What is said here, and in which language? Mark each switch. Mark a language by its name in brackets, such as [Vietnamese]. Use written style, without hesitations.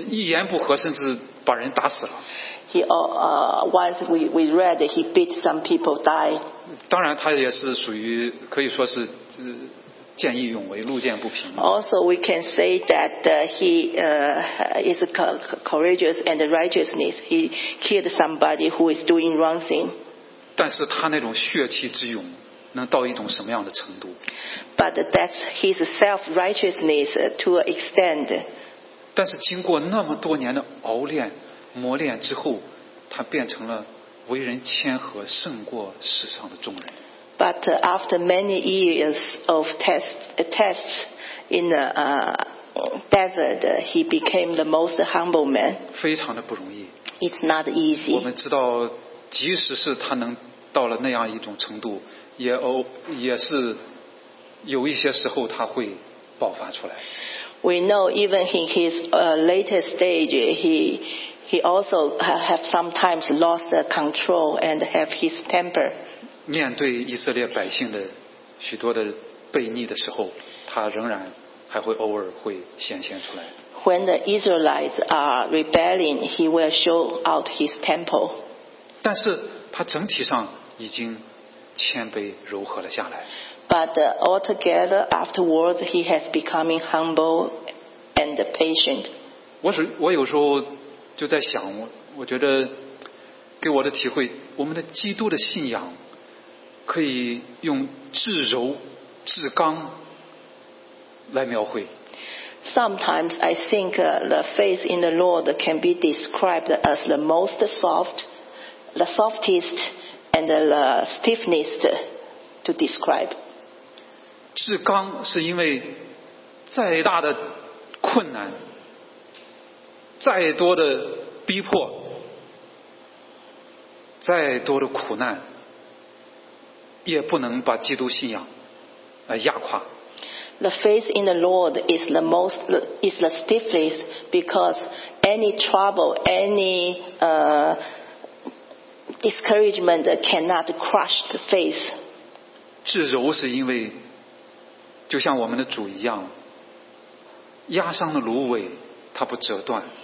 [Chinese] 一言不合，甚至把人打死了。 [English] He, once we read, he beat some people die. [Chinese] 当然，他也是属于可以说是，见义勇为，路见不平。 [English] Also, we can say that he is courageous and righteousness. He killed somebody who is doing wrong thing. [Chinese] 但是他那种血气之勇能到一种什么样的程度？ [English] But that's his self-righteousness to an extent. [Chinese] 但是经过那么多年的熬练、磨练之后，他变成了为人谦和，胜过世上的众人。 [English] But after many years of tests in the desert, he became the most humble man. [Chinese] 非常的不容易。 [English] It's not easy. [Chinese] 我们知道，即使是他能到了那样一种程度，也是有一些时候他会爆发出来。 [English] We know even in his later stage, he also have sometimes lost control and have his temper. [Chinese] 面对以色列百姓的许多的悖逆的时候，他仍然还会偶尔会显现出来。 [English] When the Israelites are rebelling, he will show out his temple. [Chinese] 但是他整体上已经谦卑柔和了下来。 [English] But altogether, afterwards, he has become humble and patient. [Chinese] 我有时候就在想，我觉得给我的体会，我们的基督的信仰可以用至柔至刚来描绘。 [English] Sometimes I think the faith in the Lord can be described as the most soft, the softest, and the stiffest to describe. [Chinese] 至刚是因为再大的困难，再多的逼迫，再多的苦难，也不能把基督信仰压垮。 [English] The faith in the Lord is the most is the stiffest because any trouble, any discouragement cannot crush the faith. [Chinese] 至柔是因为，就像我们的主一样，压伤的芦苇，它不折断。